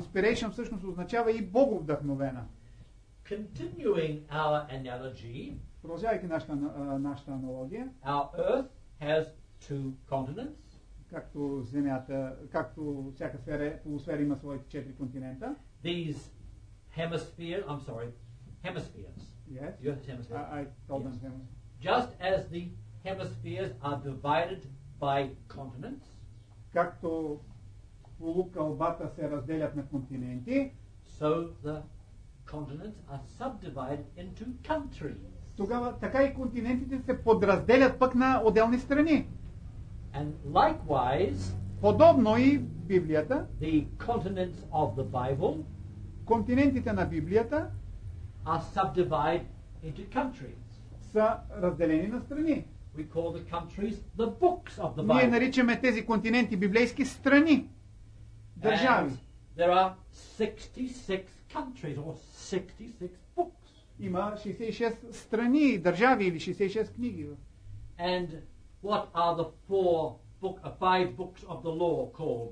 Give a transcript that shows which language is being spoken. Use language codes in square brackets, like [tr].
[bg] inspiration всъщност означава и Бог вдъхновена. [en] Continuing our analogy, [bg] продължавайки нашата аналогия, [en] our earth has two continents. [bg] Както Земята, както всяка сфера, полусфера има своите четири континента. [en] These hemispheres, I'm sorry, hemispheres. Yes. You have hemispheres. I told yes. them hemispheres. Just as the hemispheres are divided by continents, [bg] както полукълбата се разделят на континенти, [en] so the continents are subdivided into countries. [bg] Тогава така и континентите се подразделят пък на отделни страни. [en] And likewise, [bg] подобно и Библията, [en] the continents of the Bible, [bg] континентите на Библията, [en] are subdivided into countries. [bg] Са разделени на страни. [en] We call the countries the books of the Bible. [bg] Ние наричаме тези континенти библейски страни, държави. [en] And there are 66 countries or 66 books. [bg] Има 66 страни, държави или 66 книги. [en] And what are the four book, five books of the law called?